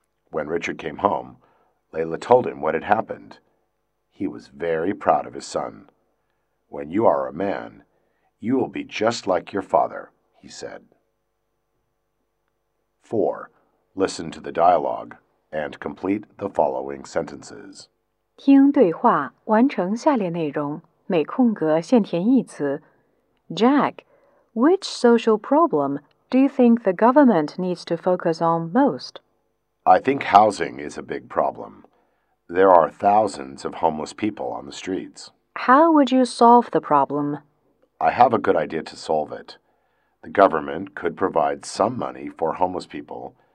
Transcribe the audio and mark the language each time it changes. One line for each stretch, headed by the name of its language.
English: When Richard came home, Layla told him what had happened. He was very proud of his son. When you are a man,You will be just like your father, he said. 4. Listen to the dialogue and complete the following sentences.
Chinese: 听对话，完成下列内容，每空格先填一词。
English: Jack, which social problem do you think the government needs to focus on most? I think housing is a big problem. There are thousands of homeless people on the streets. How would you solve the problem? I have a good idea to solve it. The government could provide some money for homeless people